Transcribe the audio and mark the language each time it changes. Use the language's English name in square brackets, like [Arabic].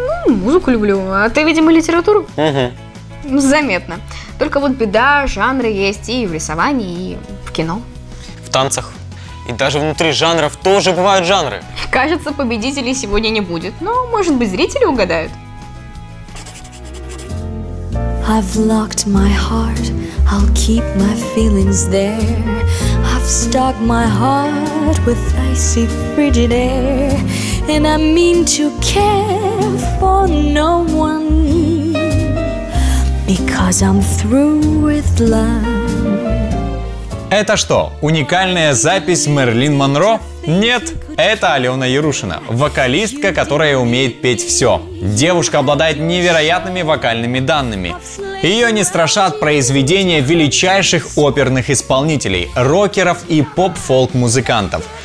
[Russian] Ну, музыку люблю, а ты, видимо, литературу. Угу. Заметно. Только вот беда, жанры есть и в рисовании, и в кино. В танцах. И даже внутри жанров тоже бывают жанры. Кажется, победителей сегодня не будет, но, может быть, зрители угадают. [English] I've locked my heart, I'll keep my feelings there. I've stuck my heart with icy frigid air. And I mean to care for no one, because I'm through with love. [Russian] Это что, уникальная запись Мэрилин Монро? Нет, это Алена Ярушина, вокалистка, которая умеет петь все. Девушка обладает невероятными вокальными данными. Ее не страшат произведения величайших оперных исполнителей, рокеров и поп-фолк-музыкантов.